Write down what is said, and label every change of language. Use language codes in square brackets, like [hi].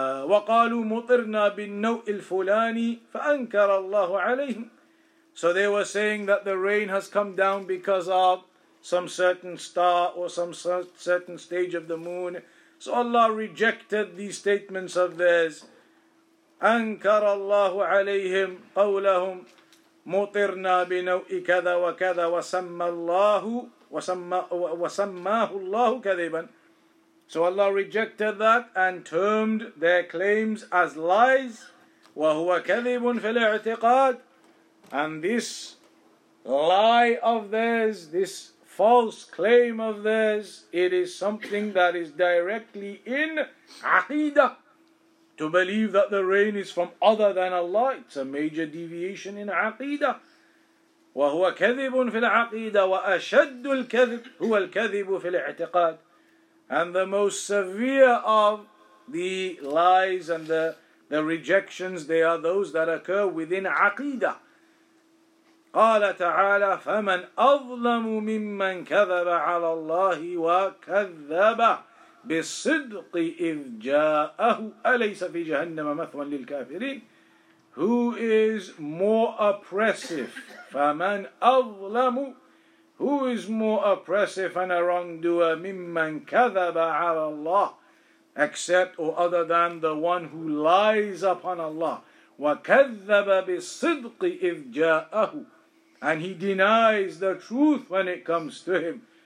[ar] وقالوا مطرنا بالنوء الفلاني فأنكر الله عليهم. [en] So they were saying that the rain has come down because of some certain star or some certain stage of the moon. So Allah rejected these statements of theirs. [ar] أنكر الله عليهم قولهم مطرنا بنوء كذا وكذا وسمى الله وسماه الله كذبا. [en] So Allah rejected that and termed their claims as lies. [ar] وهو كذب في الاعتقاد, [en] and this lie of theirs, this false claim of theirs, it is something that is directly in عقيدة. To believe that the rain is from other than Allah, it's a major deviation in aqidah. [ar] وَهُوَ كَذِبٌ فِي الْعَقِيدَةِ وَأَشَدُّ الْكَذِبُ هُوَ الْكَذِبُ فِي الْاعْتِقَادِ, [en] and the most severe of the lies and the rejections, they are those that occur within aqidah. [ar] قَالَ تَعَالَى فَمَنْ أَظْلَمُ مِمَّنْ كَذَبَ عَلَى اللَّهِ وَكَذَّبَ بالصدق إذ جاءه أليس في جهنم مثوى للكافرين. [en] Who is more oppressive, [ar] فمن أظلم, [en] who is more oppressive and a wrongdoer, [ar] ممن كذب على الله, [en] except or other than the one who lies upon Allah. [ar] وكذب بالصدق إذ جاءه, [en] and he denies the truth when it comes to him.